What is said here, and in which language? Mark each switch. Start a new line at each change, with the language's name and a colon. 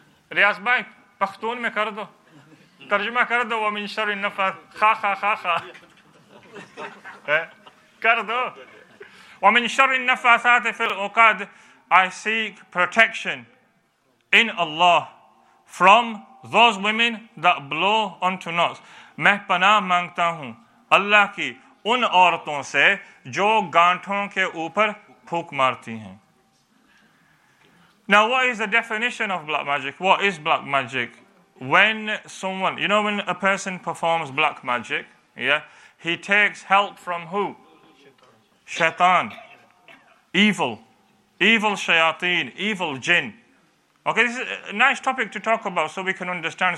Urdu: Riyaz bhai, pakhtoon mein kar do. Tarjuma kar do,
Arabic: وَمِن شَرِّ النَّفَّاثَاتِ. Kha, kha, kha, kha.
Urdu: كر دو
Arabic: ومن شر النفاثات في العقد
English: I seek protection in Allah from those women that blow unto naught.
Urdu: میں پناہ مانگتا ہوں اللہ کی ان عورتوں سے جو گانٹھوں کے اوپر پھونک مارتی ہیں.
English: Now, what is the definition of black magic? What is black magic? When someone, you know, when a person performs black magic, yeah, he takes help from who? Shaitan. Evil. Evil shayateen, evil jinn. Okay, this is a nice topic to talk about so we can understand.